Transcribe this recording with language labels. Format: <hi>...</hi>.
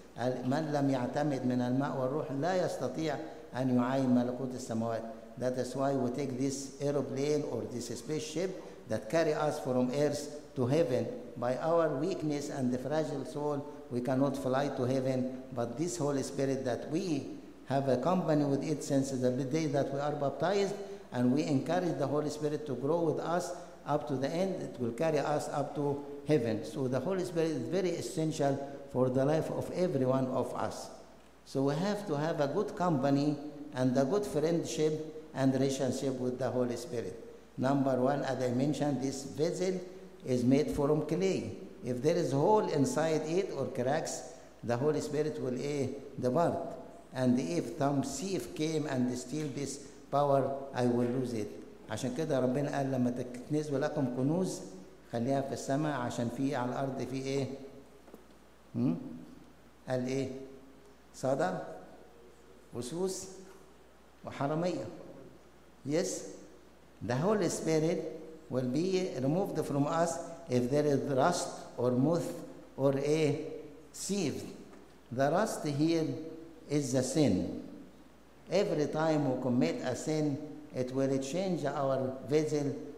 <ar>قال من لم يعتمد من الماء والروح لا يستطيع أن يعاين ملكوت السماوات.</ar> <en>That is why we take this aeroplane or this spaceship that carry us from earth to heaven. By our weakness and the fragile soul, we cannot fly to heaven. But this Holy Spirit that we have a company with it since the day that we are baptized, and we encourage the Holy Spirit to grow with us up to the end, it will carry us up to heaven. So the Holy Spirit is very essential for the life of every one of us. So we have to have a good company and a good friendship and relationship with the Holy Spirit. Number one, as I mentioned, this vessel is made from clay. If there is a hole inside it or cracks, the Holy Spirit will depart. And if some thief came and steal this power, I will lose it.</en> <ar>عشان كده ربنا قال لما تكنزوا لكم كنوز خليها في السماء عشان في على الأرض في قال صدى وسوس وحرمية.</ar> <en>Yes, the Holy Spirit will be removed from us if there is rust or moth or a thief. The rust here is a sin. Every time we commit a sin, it will change our vessel.</en>